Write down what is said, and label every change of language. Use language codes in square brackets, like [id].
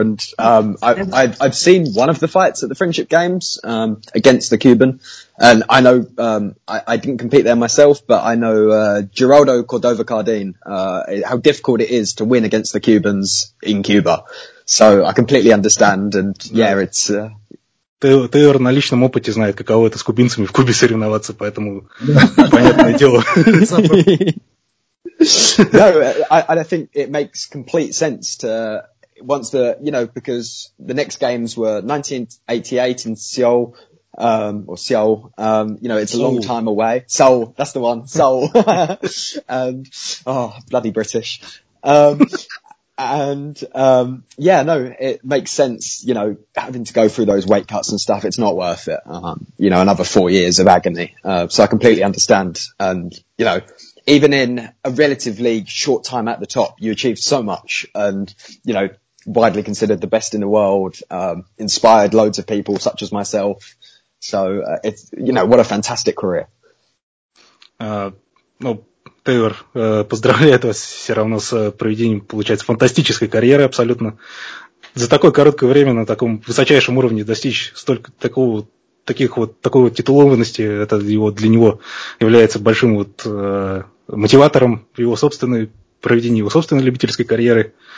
[en] And I've seen one of the fights at the friendship games against the Cuban. And I know I didn't compete there myself, but I know Geraldo Cordova Cardin, how difficult it is to win against the Cubans in Cuba. So I completely understand. And yeah, it's... [ru] Тейлор на личном опыте знает, каково это с кубинцами в Кубе соревноваться, поэтому понятное дело. [en] No, I think it makes complete sense to... Once the... You know, because the next games were 1988 in Seoul... you know, it's a long time away. Seoul, that's the one. Seoul. bloody British. it makes sense, you know, having to go through those weight cuts and stuff. It's not worth it. You know, another 4 years of agony. So I completely understand. And, you know, even in a relatively short time at the top, you achieve so much and, you know, widely considered the best in the world, inspired loads of people such as myself. So it's, you know, what a fantastic career. [ru] Ну, Тейлор, поздравляю вас все равно с проведением, получается, фантастической карьеры абсолютно. За такое короткое время на таком высочайшем уровне достичь столько такого, таких вот, такой вот титулованности, это его, для него является большим вот мотиватором в его собственной, проведении его собственной любительской карьеры.